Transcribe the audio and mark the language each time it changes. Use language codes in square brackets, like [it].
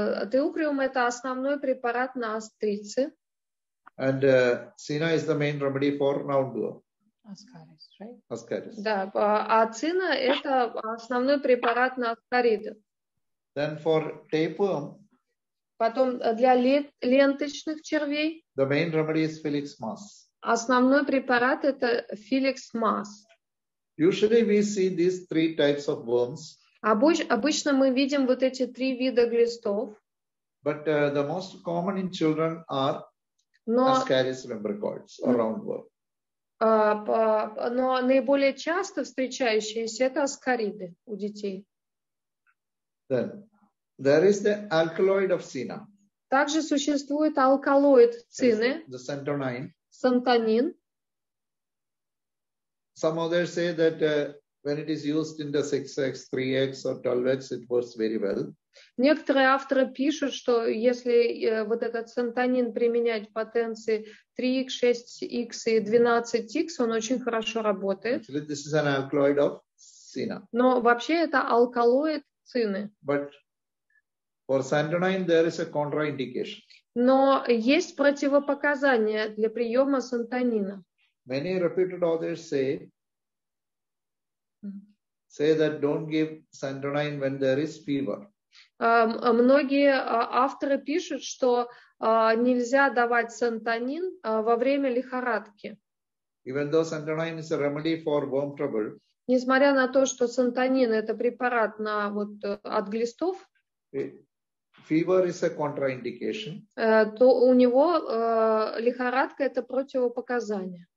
[ru] Tucurium это основной препарат на острицы. [en] And Cina is the main remedy for roundworm. Ascaris, right? Ascaris. [ru] Да, а Cina это основной препарат на аскариды. [en] Then for tapeworm. [ru] Потом для ленточных червей. [en] The main remedy is Felix Mass. [ru] Основной препарат это Felix Mass. [en] Usually we see these three types of worms. [ru] Обычно мы видим вот эти три вида глистов. [en] But the most common in children are Ascaris lumbricoides or roundworm. [ru] Но наиболее часто встречающиеся это аскариды у детей. [en] Then. There is the alkaloid of Cina. [ru] Также существует алкалоид Цины. [en] The santonine. [ru] Santonin. [en] Some others say that when it is used in the 6x, 3x or 12x, it works very well. [ru] Некоторые авторы пишут, что если вот этот сантонин применять в потенции 3x, 6x и 12x, он очень хорошо работает. [en] Actually, this is an alkaloid of Cina. [ru] Но вообще это алкалоид Цины. [en] But for santonine, there is a contraindication. [ru] Но есть противопоказания для приема сантонина. [en] Many reputed authors say that don't give santonine when there is fever. [ru] Многие авторы пишут, что нельзя давать сантонин во время лихорадки. [en] Even though santonine is a remedy for worm trouble. [ru] Несмотря на то, что сантонин это препарат на вот от глистов. [en] Fever is a contraindication. [ru] То у него лихорадка это противопоказание.